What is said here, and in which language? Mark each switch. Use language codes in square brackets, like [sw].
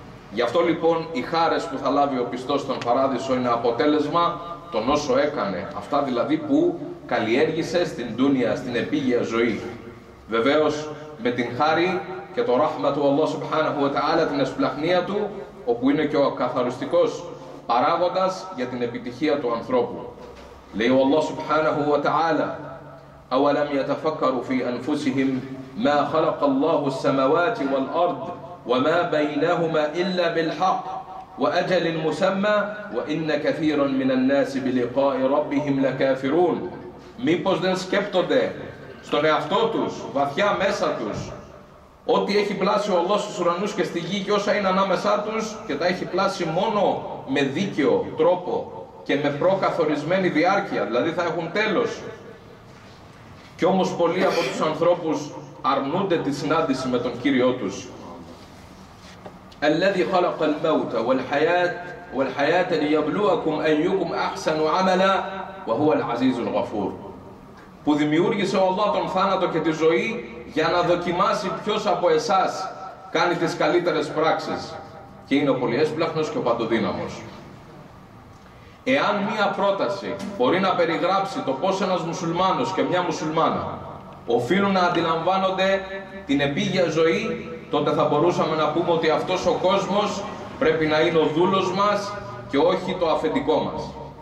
[el] Γι' αυτό λοιπόν οι χάρες που θα λάβει ο πιστός στον παράδεισο είναι αποτέλεσμα των όσο έκανε, αυτά δηλαδή που καλλιέργησε στην ντούνια, στην επίγεια ζωή. Βεβαίως με την χάρη και το ράχμα του Αλλάχ Σουμπχάναχου Βατα'άλα, την εσπλαχνία του, όπου είναι και ο καθαριστικός παράγοντας για την επιτυχία του ανθρώπου. Λέει ο Αλλάχ [ar] Σουμπχάναχου Βατα'άλα, «Αουαλαμ يتفكروا في أنفسهم ما خلق الله السماوات والأرض وما بينهما إلا بالحق وأجل مسمى وإن كثيرا من الناس بلقاء ربهم لكافرون». [el] Μήπως δεν σκέπτονται στον εαυτό τους, βαθιά μέσα τους, ότι έχει πλάσει ο Αλλάχ στους ουρανούς και στη γη και όσα είναι ανάμεσά τους, και τα έχει πλάσει μόνο με δίκαιο τρόπο και με προκαθορισμένη διάρκεια, δηλαδή θα έχουν τέλος. Κι όμως πολλοί από τους ανθρώπους αρνούνται τη συνάντηση με τον Κύριό τους. [ar] الذي خلق الموت والحياة ليبلوكم أيكم أحسن عملا وهو العزيز الغفور. [el] Που δημιούργησε ο Αλλάχ τον θάνατο και τη ζωή για να δοκιμάσει ποιος από εσάς κάνει τις καλύτερες πράξεις, και είναι ο πολυέσπλαχνος και ο παντοδύναμος. Εάν μία πρόταση μπορεί να περιγράψει το πώς ένας μουσουλμάνος και μια μουσουλμάνα οφείλουν να αντιλαμβάνονται την επίγεια ζωή, τότε θα μπορούσαμε να πούμε ότι αυτός ο κόσμος πρέπει να είναι ο δούλος μας και όχι το αφεντικό μας.